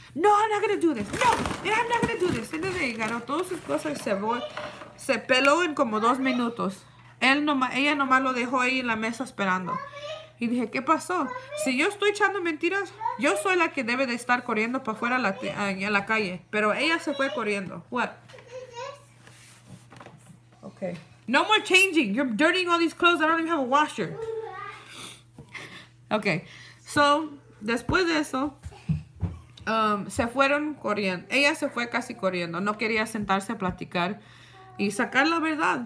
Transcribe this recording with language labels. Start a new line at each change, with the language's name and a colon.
English: No, I'm not gonna do this. No, I'm not gonna do this.
Spanish: Y agarró todas sus cosas y se fue. Se peló en como 2 minutos. Ella nomás lo dejó ahí en la mesa esperando. Y dije, ¿qué pasó? Si yo estoy echando mentiras, yo soy la que debe de estar corriendo para afuera a la calle. Pero ella se fue corriendo.
English: What? Okay. No more changing. You're dirtying all these clothes. I don't even have a washer.
Spanish: Okay, so después de eso, se fueron corriendo. Ella se fue casi corriendo. No quería sentarse a platicar y sacar la verdad.